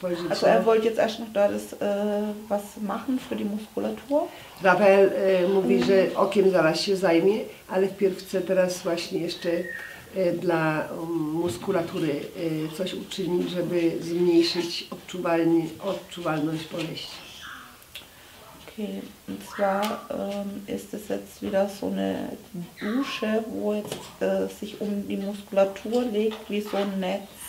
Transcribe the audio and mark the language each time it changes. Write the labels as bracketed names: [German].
[German] Also er wollte jetzt erst noch da das was machen für die Muskulatur. [Polish] Rafael mówi, że okiem zaraz się zajmie, ale wpierw chce teraz właśnie jeszcze dla muskulatury coś uczynić, żeby zmniejszyć odczuwalność boleści. [German] Okay, und zwar ist es jetzt wieder so eine Dusche, wo jetzt sich um die Muskulatur legt wie so ein Netz.